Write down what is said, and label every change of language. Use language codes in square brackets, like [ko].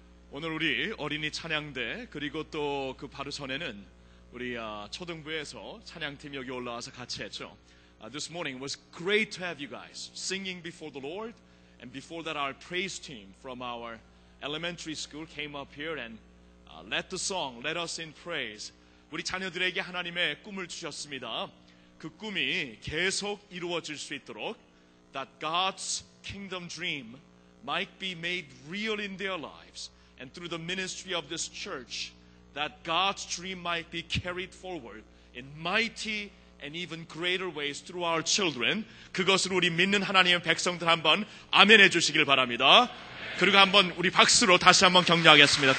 [ko] 오늘 우리 어린이 찬양대 그리고 또 그 바로 전에는 우리 초등부에서 찬양팀 여기 올라와서 같이 했죠. [en] This morning was great to have you guys singing before the Lord. And before that, our praise team from our elementary school came up here and led the song, Let Us in Praise. [ko] 우리 자녀들에게 하나님의 꿈을 주셨습니다. 그 꿈이 계속 이루어질 수 있도록 [en] That God's kingdom dream might be made real in their lives and through the ministry of this church, that God's dream might be carried forward in mighty and even greater ways through our children. [ko] 그것을 우리 믿는 하나님의 백성들 한번 아멘해 주시길 바랍니다. 그리고 한번 우리 박수로 다시 한번 격려하겠습니다.